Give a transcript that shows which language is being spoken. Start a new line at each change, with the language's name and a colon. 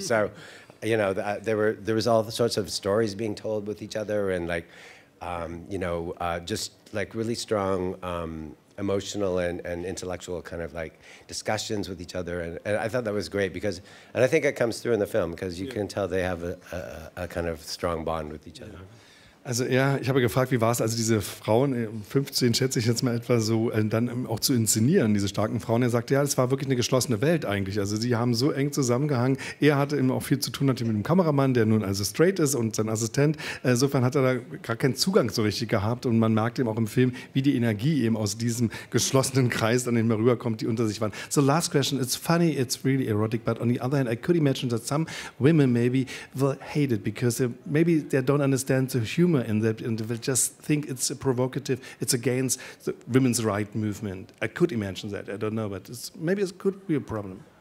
English: So, you know, there was all sorts of stories being told with each other, and like, you know, just like really strong emotional and intellectual kind of like discussions with each other. And I thought that was great because I think it comes through in the film, because you can tell they have a kind of strong bond with each other.
German: Also ja, ich habe gefragt, wie war es, also diese Frauen, 15 schätze ich jetzt mal etwa so, dann auch zu inszenieren, diese starken Frauen. Er sagte, ja, es war wirklich eine geschlossene Welt eigentlich. Also sie haben so eng zusammengehangen. Er hatte eben auch viel zu tun natürlich mit dem Kameramann, der nun also straight ist, und sein Assistent. Insofern hat er da gar keinen Zugang so richtig gehabt. Und man merkt eben auch im Film, wie die Energie eben aus diesem geschlossenen Kreis dann immer rüberkommt, die unter sich waren.
English: So last question, it's funny, it's really erotic, but on the other hand, I could imagine that some women maybe will hate it, because maybe they don't understand the humor in that, and they just think it's a provocative, it's against the women's right movement. I could imagine that. I don't know, but maybe it could be a problem.